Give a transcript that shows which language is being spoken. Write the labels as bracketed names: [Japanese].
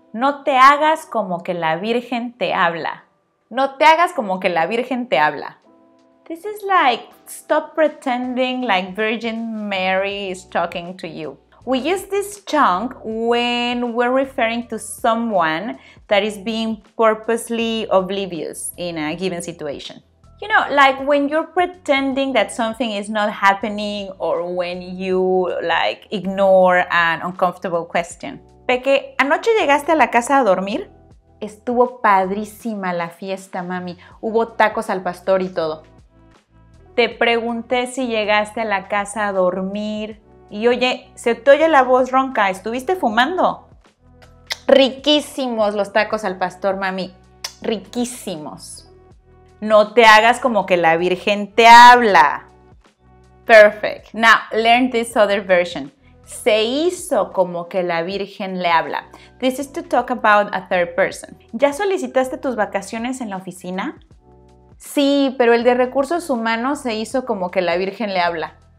[Spanish] No te hagas como que la Virgen te habla. No te hagas como que la Virgen te habla. [English] This is like, stop pretending like Virgin Mary is talking to you. We use this chunk when we're referring to someone that is being purposely oblivious in a given situation. You know, like when you're pretending that something is not happening or when you, like, ignore an uncomfortable question. [Spanish] Peque, ¿anoche llegaste a la casa a dormir? Estuvo padrísima la fiesta, mami. Hubo tacos al pastor y todo. Te pregunté si llegaste a la casa a dormir. Y oye, se te oye la voz ronca. ¿Estuviste fumando? Riquísimos los tacos al pastor, mami. Riquísimos. No te hagas como que la Virgen te habla. [English] Perfect. Now, learn this other version. [Spanish] Se hizo como que la Virgen le habla. [English] This is to talk about a third person. [Spanish] ¿Ya solicitaste tus vacaciones en la oficina? Sí, pero el de recursos humanos se hizo como que la Virgen le habla.